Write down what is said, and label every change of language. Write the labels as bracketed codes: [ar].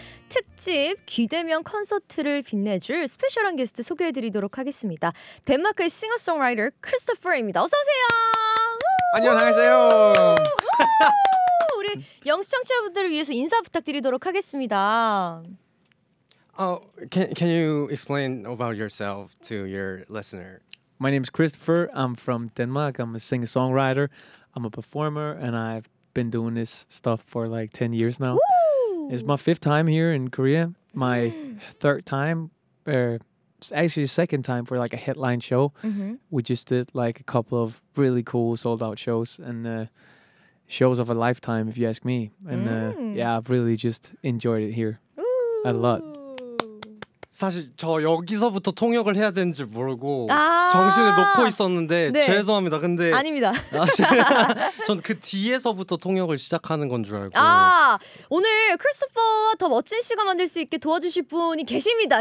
[ko] 특집 귀대면 콘서트를 빛내줄 스페셜한 게스트 소개해드리도록 하겠습니다. 덴마크의 싱어송라이터 크리스토퍼입니다. 어서오세요. 안녕하세요. 우리 영시청취자분들을 위해서 인사 부탁드리도록 하겠습니다. [en] Can you explain about yourself to your listener? My name is Christopher. I'm from Denmark. I'm a singer-songwriter. I'm a performer, and I've been doing this stuff for like 10 years now. Woo! It's my fifth time here in Korea. My third time, actually second time for like a headline show. Mm-hmm. We just did like a couple of really cool sold-out shows and shows of a lifetime, if you ask me. And yeah, I've really just enjoyed it here a lot. [ko] 사실 저 여기서부터 통역을 해야 되는지 모르고 아~ 정신을 놓고 있었는데 네. 죄송합니다. 근데 아닙니다. 전 그 뒤에서부터 통역을 시작하는 건 줄 알고. 아, 오늘 크리스토퍼와 더 멋진 시간 만들 수 있게 도와주실 분이 계십니다.